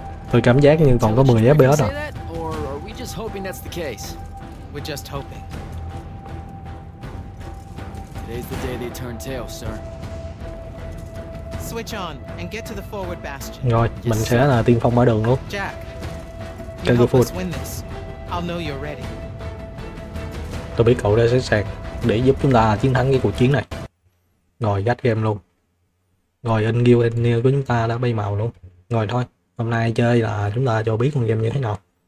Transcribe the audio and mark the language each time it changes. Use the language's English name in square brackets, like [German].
[Vietnamese] Tôi cảm giác như còn có 10 FPS rồi. [English] Or are we just hoping that's the case? We're just hoping. Today's the day they turn tail, sir. Switch on and get to the forward bastion. [Vietnamese] Rồi, mình sẽ là tiên phong mở đường luôn. [English] Jack. [Vietnamese] Cần [English] help us win this. I'll know you're ready. [Vietnamese] Tôi biết cậu đã sẵn sàng để giúp chúng ta chiến thắng cái cuộc chiến này. Rồi gắt game luôn. Rồi anh Guild Engineer của chúng ta đã bay màu luôn. Rồi thôi, hôm nay chơi là chúng ta cho biết con game như thế nào.